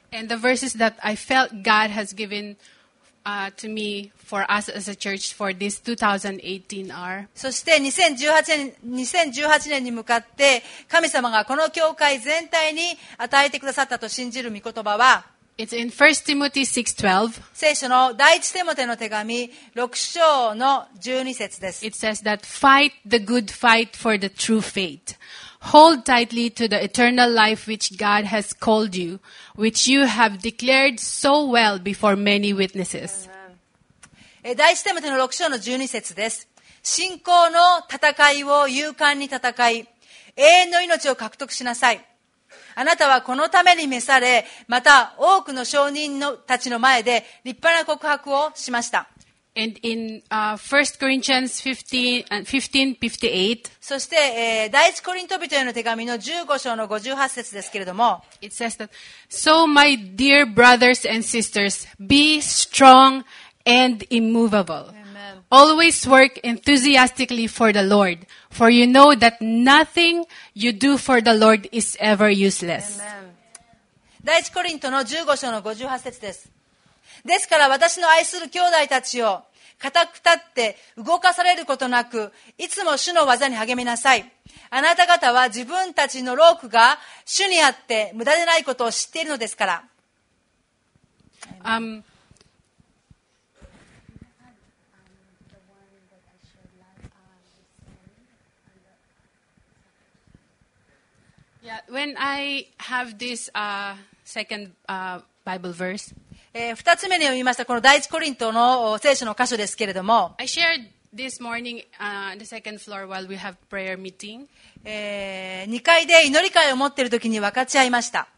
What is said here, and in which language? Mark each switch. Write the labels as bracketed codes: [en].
[en] And the verses that I felt God has given to me for us as a church for this 2018 are. [ja] そして2018年に向かって神様がこの教会全体に与えてくださったと信じる御言葉は、 [en] It's in 1 Timothy 6:12. [ja] 聖書の第一テモテの手紙6章の12節です。 [en] It says that fight the good fight for the true faith. Hold tightly to the eternal life which God has called you. Which you have declared so well before many witnesses. [ja] 第一テモテの6章の12節です。信仰の戦いを勇敢に戦い、永遠の命を獲得しなさい。あなたはこのために召され、また多くの証人のたちの前で立派な告白をしました。 [en] And in 1 Corinthians 15:58, [ja] そして、第一コリント人への手紙の15章の58節ですけれども、 [en] It says that, So my dear brothers and sisters, be strong and immovable. Always work enthusiastically for the Lord, for you know that nothing you do for the Lord is ever useless. [ja] 第一コリントの15章の58節です。ですから私の愛する兄弟たちを固く立って動かされることなく、いつも主の技に励みなさい。あなた方は自分たちの労苦が主にあって無駄でないことを知っているのですから。 [en] Yeah, when I have this second Bible verse. [ja] 二つ目に読みましたこの第一コリントの聖書の箇所ですけれども、 [en] I shared this morning the second floor while we have prayer meeting. [ja] 二階で祈り会を持っているときに分かち合いました。